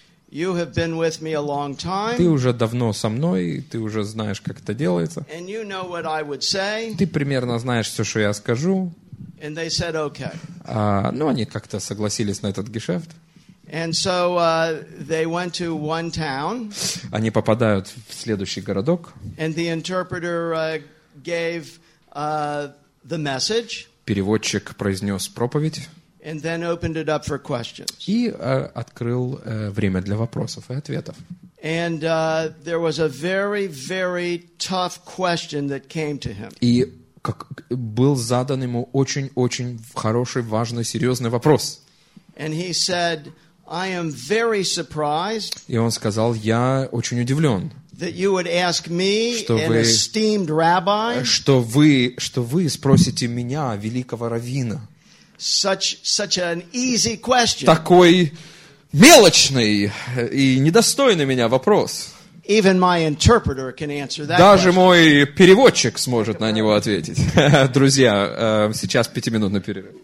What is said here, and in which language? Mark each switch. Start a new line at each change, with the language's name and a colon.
English: You have been with me a long time.
Russian: Ты уже давно со мной, ты уже знаешь, как это делается.
English: And you know what I would say.
Russian: Ты примерно знаешь все, что я скажу.
English: And they said okay.
Russian: Ну, они как-то согласились на этот гешефт.
English: And so they went to one town.
Russian: Они попадают в следующий городок.
English: And the interpreter gave the message.
Russian: Переводчик произнес проповедь.
English: And then opened it up for questions.
Russian: И открыл время для вопросов и ответов.
English: And there was a very, very tough question that came to him.
Russian: И как был задан ему очень-очень хороший, важный, серьезный вопрос.
English: And he said, I am very surprised.
Russian: И он сказал, я очень удивлен.
English: That you would ask me, an esteemed rabbi.
Russian: Что вы спросите меня, великого раввина.
English: Such an easy question.
Russian: Такой мелочный и недостойный меня вопрос.
English: Even my interpreter can answer that.
Russian: Даже мой переводчик сможет на него ответить. Друзья, сейчас 5-минутный перерыв.